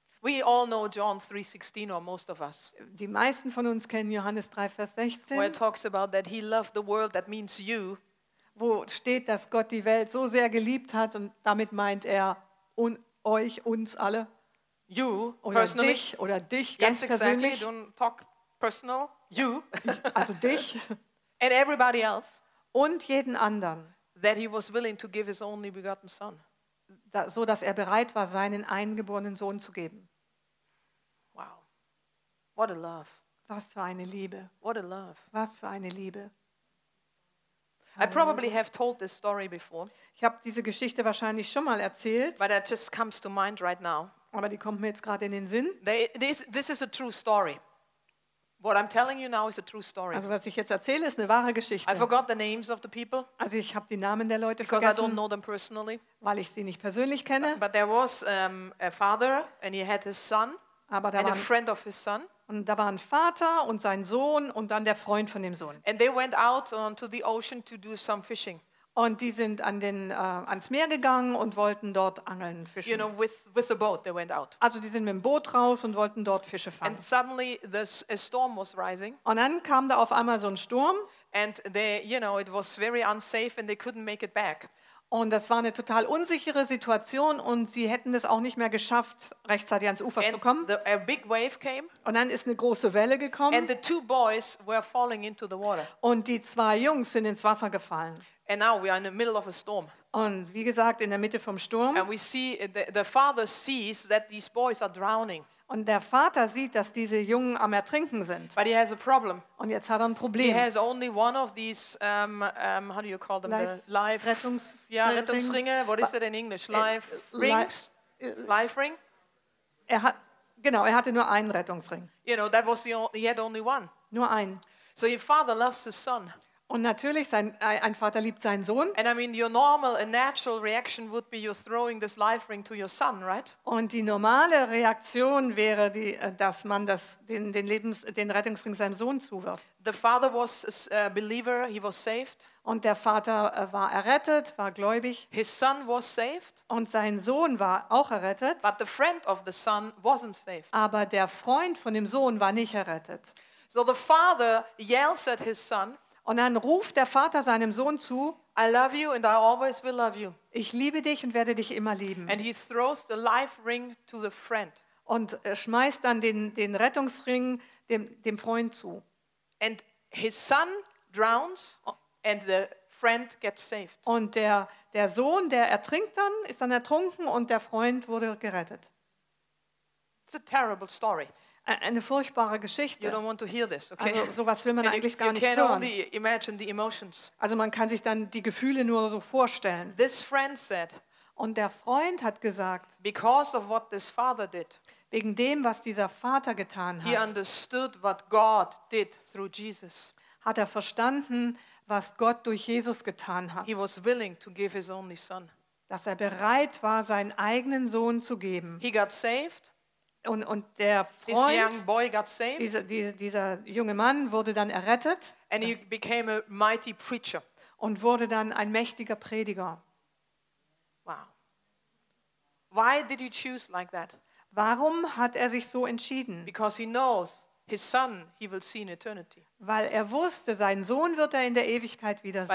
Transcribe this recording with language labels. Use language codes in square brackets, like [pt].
[en] We all know John 3:16, or most of us. [de] Die meisten von uns kennen Johannes 3, Vers 16. [en] Where it talks about that he loved the world, that means you. [de] Wo steht, dass Gott die Welt so sehr geliebt hat und damit meint er euch, uns alle? [en] You, [de] oder [en] personally. [de] Dich, [en] yes, [de] ganz persönlich. [en] Exactly. Don't talk personal. You. [de] Also dich. [en] And everybody else. [de] Und jeden anderen. [en] That he was willing to give his only begotten son. [de] So, dass er bereit war, seinen eingeborenen Sohn zu geben. [en] Wow. What a love. [de] Was für eine Liebe. [en] What a love. [de] Was für eine Liebe. [en] I probably have told this story before. [de] Ich habe diese Geschichte wahrscheinlich schon mal erzählt. [en] But it just comes to mind right now. [de] Aber die kommt mir jetzt gerade in den Sinn. [en] This is a true story. What I'm telling you now is a true story. [de] Also was ich jetzt erzähle, ist eine wahre Geschichte. [en] I forgot the names of the people. [de] Also ich habe die Namen der Leute [en] because [de] vergessen. [en] I don't know them personally. [de] Weil ich sie nicht persönlich kenne. [en] But there was a father and he had his son. [de] Aber da [en] and [de] war [en] a friend of his son. [de] Und da waren Vater und sein Sohn und dann der Freund von dem Sohn. [en] And they went out onto the ocean to do some fishing. [de] Und die sind an den ans Meer gegangen und wollten dort angeln, fischen. [en] You know, with the boat they went out. [de] Also die sind mit dem Boot raus und wollten dort Fische fangen. [en] And suddenly a storm was rising. [de] Und dann kam da auf einmal so ein Sturm. [en] And they, you know, it was very unsafe and they couldn't make it back. [de] Und das war eine total unsichere Situation und sie hätten es auch nicht mehr geschafft, rechtzeitig ans Ufer [en] and [de] zu kommen. [en] A big wave came. [de] Und dann ist eine große Welle gekommen. [en] And the two boys were falling into the water. [de] Und die zwei Jungs sind ins Wasser gefallen. [en] And now we are in the middle of a storm. [de] Und wie gesagt, in der Mitte vom Sturm. [en] And we see the father sees that these boys are drowning. [de] Und der Vater sieht, dass diese Jungen am Ertrinken sind. [en] But he has a problem. [de] Und jetzt hat er ein Problem. [en] He has only one of these how do you call them? [de] Rettungsringe. [en] What is it in English? Life ring. [de] Er hatte nur einen Rettungsring. [en] You know, that was he had only one. [de] Nur einen. [en] So your father loves his son. [de] Und natürlich, ein Vater liebt seinen Sohn. [en] And I mean, your normal and natural reaction would be you're throwing this life ring to your son, right? [de] Und die normale Reaktion wäre, dass man den Rettungsring seinem Sohn zuwirft. [en] The father was a believer, he was saved. [de] Und der Vater war errettet, war gläubig. [en] His son was saved. [de] Und sein Sohn war auch errettet. [en] But the friend of the son wasn't saved. [de] Aber der Freund von dem Sohn war nicht errettet. [en] So the father yells at his son. [de] Und dann ruft der Vater seinem Sohn zu, [en] I love you and I always will love you. [de] Ich liebe dich und werde dich immer lieben. [en] And he throws the life ring to the friend. [de] Und er schmeißt dann den Rettungsring dem Freund zu. [en] And his son drowns and the friend gets saved. [de] Und der Sohn, der ertrinkt dann, ist dann ertrunken und der Freund wurde gerettet. [en] It's a terrible story. [de] Eine furchtbare Geschichte. [en] You don't want to hear this, okay? [de] Also sowas will man eigentlich gar nicht hören. [en] You can only imagine the emotions. [de] Also man kann sich dann die Gefühle nur so vorstellen. [en] This friend said, [de] und der Freund hat gesagt, [en] because of what this father did, [de] wegen dem, was dieser Vater getan hat, [en] he understood what God did through Jesus. [de] Hat er verstanden, was Gott durch Jesus getan hat. [en] He was willing to give his only son. [de] Dass er bereit war, seinen eigenen Sohn zu geben. [en] He got saved. [de] Und der Freund, dieser junge Mann, wurde dann errettet. [en] And he became a mighty preacher. [de] Und wurde dann ein mächtiger Prediger. [en] Wow. Why did he choose like that? [de] Warum hat er sich so entschieden? [en] Because he knows his son, he will see in eternity. [de] Weil er wusste, seinen Sohn wird er in der Ewigkeit wiedersehen.